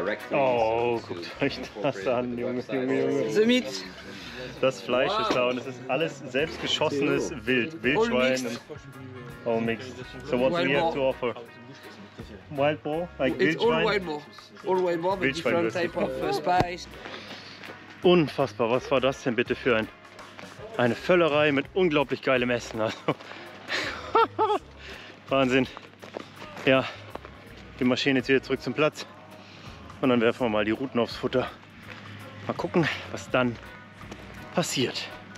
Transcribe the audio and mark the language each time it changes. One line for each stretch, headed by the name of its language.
German: Oh, guckt euch das an, Junge, Junge, Junge. Das Fleisch ist da und es ist alles selbstgeschossenes Wild.
English: Wildschwein. All mixed. So what do you have to offer? Wild boar, like Wildschwein. It's all wild boar, but different type of spice.
German: Unfassbar, was war das denn bitte für ein... Eine Völlerei mit unglaublich geilem Essen. Also. Wahnsinn. Ja, die Maschine jetzt wieder zurück zum Platz. Und dann werfen wir mal die Ruten aufs Futter. Mal gucken, was dann passiert.